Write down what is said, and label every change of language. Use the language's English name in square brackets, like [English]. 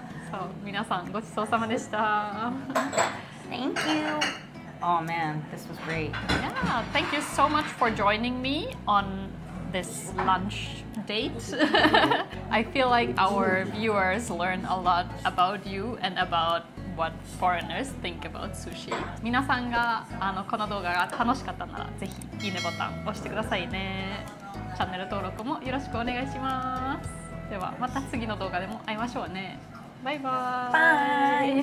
[English] So, [Japanese] 皆さん, ごちそうさまでした. [English] Thank you. Oh man, this was great. Yeah, thank you so much for joining me on this lunch date. I feel like our viewers learn a lot about you and about what foreigners think about sushi. [Japanese] 皆さんがあのこの動画が楽しかったならぜひいいねボタン押してくださいね。チャンネル登録もよろしくお願いします。ではまた次の動画でも会いましょうね。バイバーイ。